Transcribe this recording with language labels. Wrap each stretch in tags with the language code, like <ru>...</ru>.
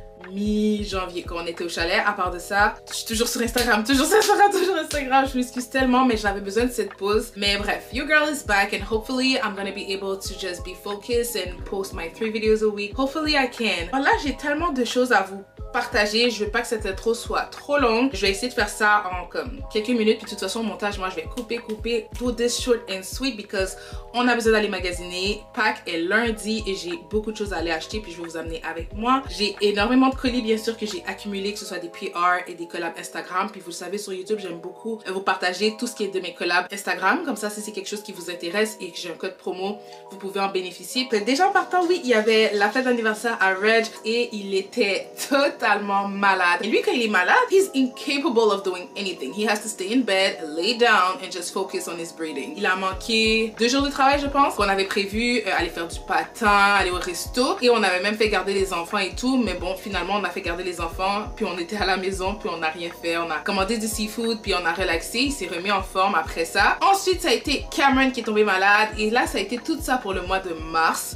<fr>Mi-janvier, quand on était au chalet. À part de ça, je suis toujours sur Instagram, je m'excuse tellement, mais j'avais besoin de cette pause. Mais bref,</fr> <en>your girl is back and hopefully I'm gonna be able to just be focused and post my 3 videos a week. Hopefully I can.</en> <fr>Voilà, j'ai tellement de choses à vous partager, je veux pas que cette intro soit trop longue. Je vais essayer de faire ça en comme quelques minutes, puis de toute façon, au montage, moi je vais couper,</fr> <en>do this short and sweet because</en> <fr>on a besoin d'aller magasiner. Pâques est lundi et j'ai beaucoup de choses à aller acheter, puis je vais vous amener avec moi. J'ai énormément de colis, bien sûr, que j'ai accumulé, que ce soit des PR et des collabs Instagram. Puis vous le savez, sur YouTube, j'aime beaucoup vous partager tout ce qui est de mes collabs Instagram. Comme ça, si c'est quelque chose qui vous intéresse et que j'ai un code promo, vous pouvez en bénéficier. Puis déjà en partant, oui, il y avait la fête d'anniversaire à Reg et il était totalement malade. Et lui, quand il est malade,</fr> <en>he's incapable of doing anything. He has to stay in bed, lay down and just focus on his breathing.</en> <fr>Il a manqué 2 jours de travail, je pense. On avait prévu aller faire du patin, aller au resto et on avait même fait garder les enfants et tout. Mais bon, finalement, on a fait garder les enfants puis on était à la maison puis on n'a rien fait. On a commandé du seafood puis on a relaxé. Il s'est remis en forme après ça. Ensuite, ça a été Cameron qui est tombé malade et là, ça a été tout ça pour le mois de mars.</fr>